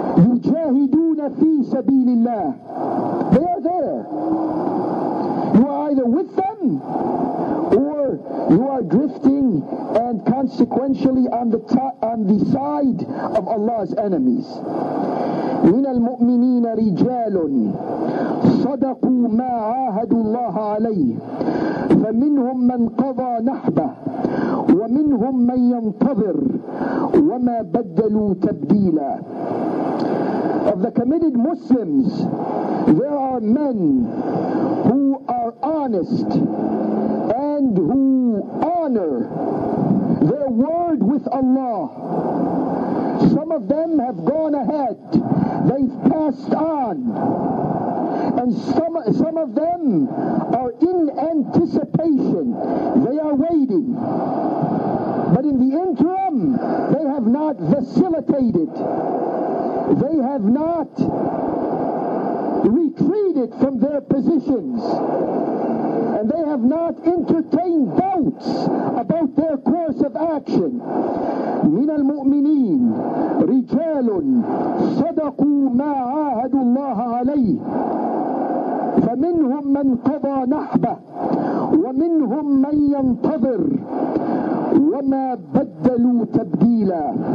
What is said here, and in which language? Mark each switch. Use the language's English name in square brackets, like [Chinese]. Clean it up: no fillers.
[Arabic] Yujahiduna fi sabilillah. [English] They are there. You are either with them, or you are drifting and consequentially on the side of Allah's enemies. [Arabic] من المؤمنين رجال صدقوا ما عاهدوا الله عليه فمنهم من قضى نحبه ومنهم من ينتظر وما بدلوا تبديلا. [English] Of the committed Muslims, there are men who are honest and who honor their word with Allah. Some of them have gone ahead, they've passed on. And some of them are in anticipation, they are waiting. But in the interim, they have not vacillated. They have not retreated from their positions. And they have not entertained doubts about their course of action. [Arabic] من المؤمنين رجال صدقوا ما عاهدوا الله عليه فمنهم من قضى نحبه ومنهم من ينتظر وما بدلوا تبديلا.